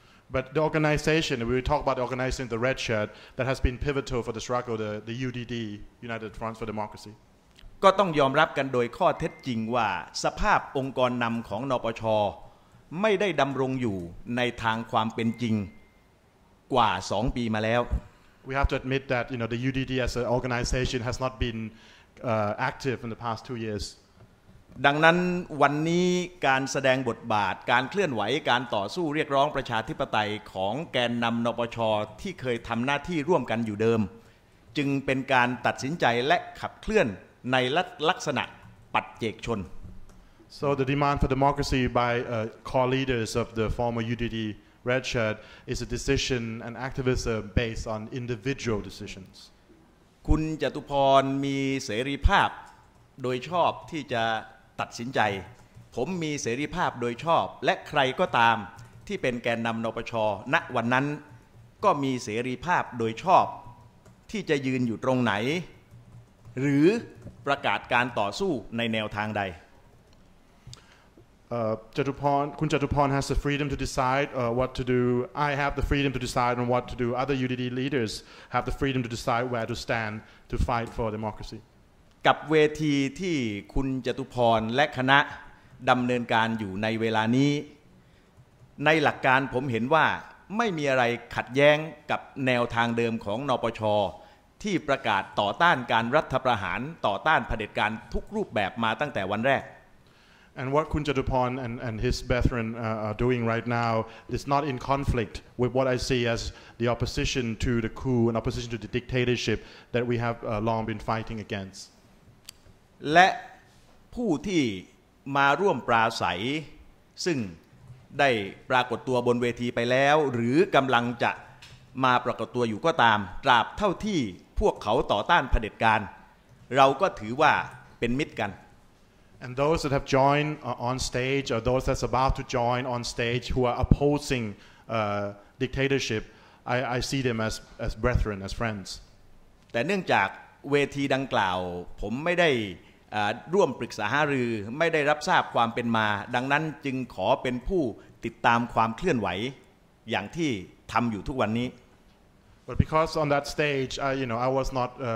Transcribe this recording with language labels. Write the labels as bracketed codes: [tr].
[en] But the organization, we talk about the organization, the red shirt that has been pivotal for the struggle, the UDD, United Front for Democracy. [th] ก็ต้องยอมรับกันโดยข้อเท็จจริงว่าสภาพองค์กรนำของนปช. ไม่ได้ดำรงอยู่ในทางความเป็นจริงกว่า2ปีมาแล้ว [en] We have to admit that you know the UDD as an organization has not been active in the past 2 years [th] ดังนั้นวันนี้การแสดงบทบาทการเคลื่อนไหวการต่อสู้เรียกร้องประชาธิปไตยของแกนนำนปช. ที่เคยทำหน้าที่ร่วมกันอยู่เดิมจึงเป็นการตัดสินใจและขับเคลื่อนในลักษณะปัจเจกชน [en] So the demand for democracy by core leaders of the former UDD red shirt is a decision and activism based on individual decisions. [th] คุณจตุพรมีเสรีภาพโดยชอบที่จะตัดสินใจผมมีเสรีภาพโดยชอบและใครก็ตามที่เป็นแกนนำนปช. ณวันนั้นก็มีเสรีภาพโดยชอบที่จะยืนอยู่ตรงไหนหรือประกาศการต่อสู้ในแนวทางใด [en] Kun Chattopon has the freedom to decide what to do. I have the freedom to decide on what to do. Other UDD leaders have the freedom to decide where to stand to fight for democracy. [th] กับเวทีที่คุณจตุพรและคณะดำเนินการอยู่ในเวลานี้ในหลักการผมเห็นว่าไม่มีอะไรขัดแย้งกับแนวทางเดิมของนปช. ที่ประกาศต่อต้านการรัฐประหารต่อต้านเผด็จการทุกรูปแบบมาตั้งแต่วันแรก [en] And what Kun Chattopon and his brethren are doing right now is not in conflict with what I see as the opposition to the coup and opposition to the dictatorship that we have long been fighting against. [th] และผู้ที่มาร่วมปราศัยซึ่งได้ปรากฏตัวบนเวทีไปแล้วหรือกำลังจะมาปรากฏตัวอยู่ก็ตามตราบเท่าที่พวกเขาต่อต้านเผด็จการเราก็ถือว่าเป็นมิตรกัน [en] And those that have joined on stage, or those that's about to join on stage, who are opposing dictatorship, I see them as brethren, as friends. [th] แต่เนื่องจากเวทีดังกล่าวผมไม่ได้ร่วมปรึกษาหารือไม่ได้รับทราบความเป็นมาดังนั้นจึงขอเป็นผู้ติดตามความเคลื่อนไหวอย่างที่ทำอยู่ทุกวันนี้ [en] But because on that stage, I was not.